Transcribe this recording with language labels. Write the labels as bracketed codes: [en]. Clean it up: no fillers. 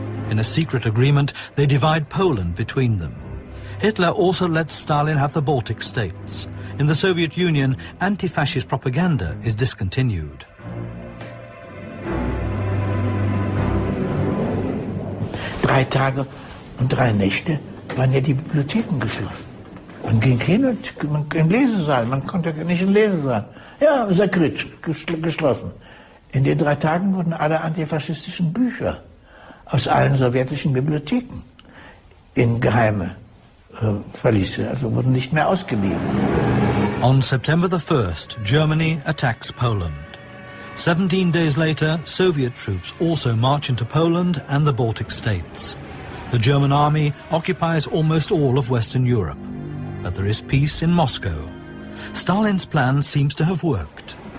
[en] In a secret agreement, they divide Poland between them. Hitler also lets Stalin have the Baltic states. In the Soviet Union, anti-fascist propaganda is discontinued. [de] Drei Tage und drei Nächte waren ja die Bibliotheken geschlossen. Man ging hin und man im Lesesaal, man konnte ja nicht im Lesesaal. Ja, sekret, geschlossen. In den drei Tagen wurden alle antifaschistischen Bücher aus allen sowjetischen Bibliotheken in geheime Verliese, also wurden nicht mehr ausgeliehen. [en] On September the 1st, Germany attacks Poland. 17 days later, Soviet troops also march into Poland and the Baltic states. The German army occupies almost all of Western Europe. But there is peace in Moscow. Stalin's plan seems to have worked.